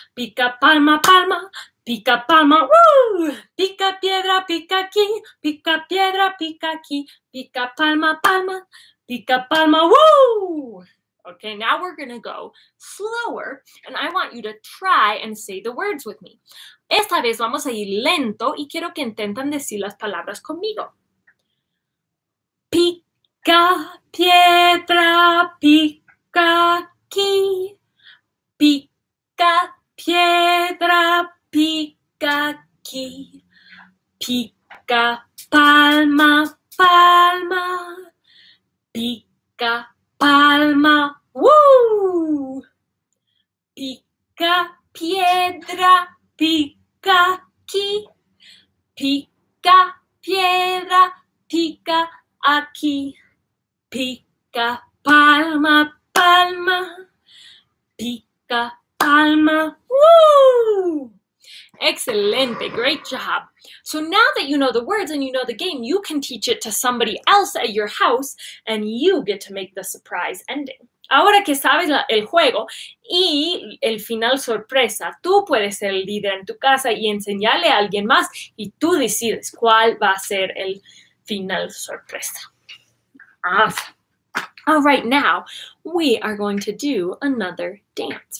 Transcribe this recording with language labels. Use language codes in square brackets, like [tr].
[es] Pica palma, palma. Pica palma, woo! Pica piedra, pica aquí. Pica piedra, pica aquí. Pica palma, palma. Pica palma, woo! [en] Okay, now we're gonna go slower, and I want you to try and say the words with me. [es] Esta vez vamos a ir lento, y quiero que intenten decir las palabras conmigo. Pica piedra, pica aquí. Pica piedra, pica aquí. Pica palma, palma. Pica palma, woo! Pica piedra, pica aquí. Pica piedra, pica aquí. Pica palma, palma. Pica palma, woo! Excelente, [en] great job. So now that you know the words and you know the game, you can teach it to somebody else at your house and you get to make the surprise ending. [es] Ahora que sabes el juego y el final sorpresa, tú puedes ser el líder en tu casa y enseñarle a alguien más y tú decides cuál va a ser el final sorpresa. [en] Awesome. All right, now we are going to do another dance.